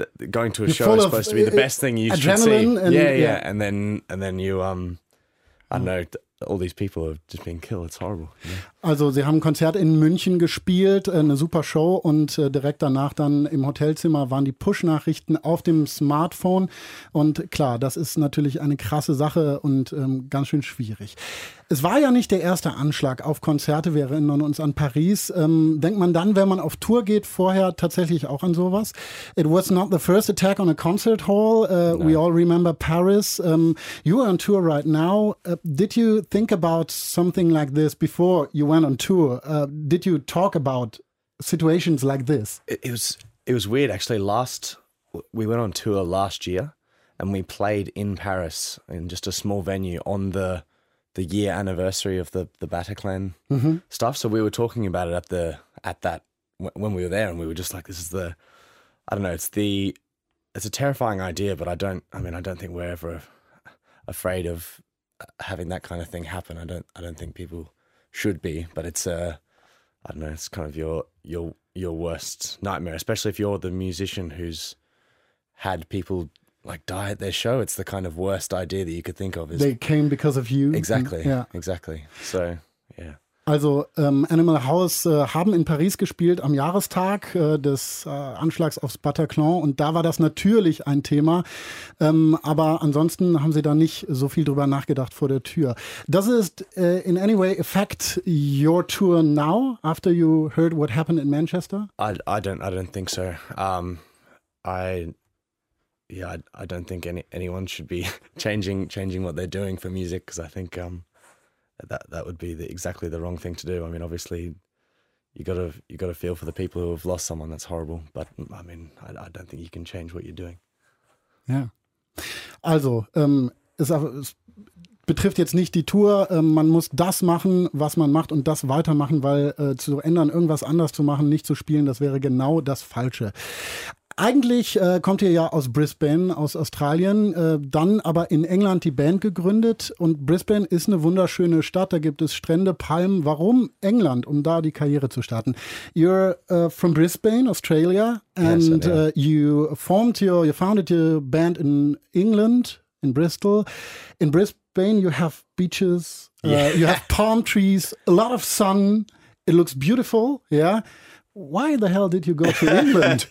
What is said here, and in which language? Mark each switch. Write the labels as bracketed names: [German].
[English] Going to a show is supposed to be the best thing you should see. Adrenaline. Yeah. And then you, all these people have just been killed. It's horrible. Yeah. [German] Also, sie haben ein Konzert in München gespielt, eine super Show, und direkt danach dann im Hotelzimmer waren die Push-Nachrichten auf dem Smartphone. Und klar, das ist natürlich eine krasse Sache und ganz schön schwierig. Es war ja nicht der erste Anschlag auf Konzerte. Wir erinnern uns an Paris. Denkt man dann, wenn man auf Tour geht, vorher tatsächlich auch an sowas? [English] It was not the first attack on a concert hall. We all remember Paris. You are on tour right now. Did you think about something like this before you went on tour? Did you talk about situations like this? It was weird, actually. We went on tour last year and we played in Paris in just a small venue on the year anniversary of the Bataclan stuff. So we were talking about it when we were there, and we were just like, it's a terrifying idea, but I don't think we're ever afraid of having that kind of thing happen. I don't think people should be, but it's kind of your worst nightmare, especially if you're the musician who's had people like die at their show. It's the kind of worst idea that you could think of. They came because of you. Exactly. Yeah. Exactly. So, yeah. [German] Also, Animal House haben in Paris gespielt am Jahrestag des Anschlags aufs Bataclan, und da war das natürlich ein Thema. Aber ansonsten haben sie da nicht so viel drüber nachgedacht vor der Tür. [English] Does it in any way affect your tour now after you heard what happened in Manchester? I don't think so. I don't think anyone should be changing what they're doing for music, because I think that would be exactly the wrong thing to do. I mean, obviously, you got to feel for the people who have lost someone. That's horrible. But I mean, I don't think you can change what you're doing. [German] Yeah. Also, es betrifft jetzt nicht die Tour. Man muss das machen, was man macht, und das weitermachen, weil zu ändern, irgendwas anders zu machen, nicht zu spielen, das wäre genau das Falsche. Eigentlich kommt ihr ja aus Brisbane, aus Australien, dann aber in England die Band gegründet, und Brisbane ist eine wunderschöne Stadt, da gibt es Strände, Palmen. Warum England, um da die Karriere zu starten? [English] You're from Brisbane, Australia, and yes, you founded your band in England, in Bristol. In Brisbane you have beaches, you have palm trees, a lot of sun, it looks beautiful, yeah? Why the hell did you go to England?